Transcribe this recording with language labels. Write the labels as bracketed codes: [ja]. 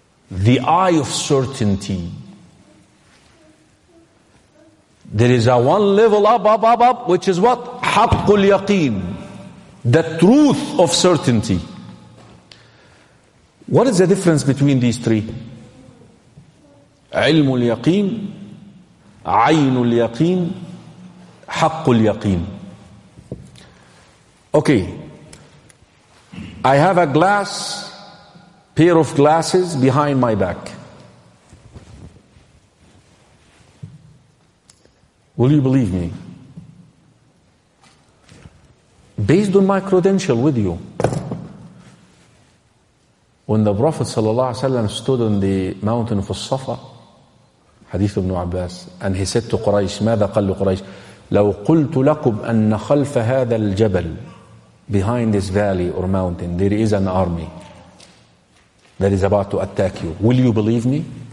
[en] The eye of certainty. There is a one level up, which is what? [ar] حَقُّ الْيَقِينِ. [en] The truth of certainty. What is the difference between these three? [ar] عِلْمُ الْيَقِينِ, عَيْنُ الْيَقِينِ, حَقُّ الْيَقِينِ. [en] Okay, I have a glass, pair of glasses behind my back. Will you believe me? Based on my credential with you, when the Prophet ﷺ stood on the mountain of Safa, Hadith ibn Abbas, and he said to Quraysh, [ar] ماذا قال لقريش؟ لو قلت لكم أن خلف هذا الجبل, [en] behind this valley or mountain, there is an army that is about to attack you. Will you believe me?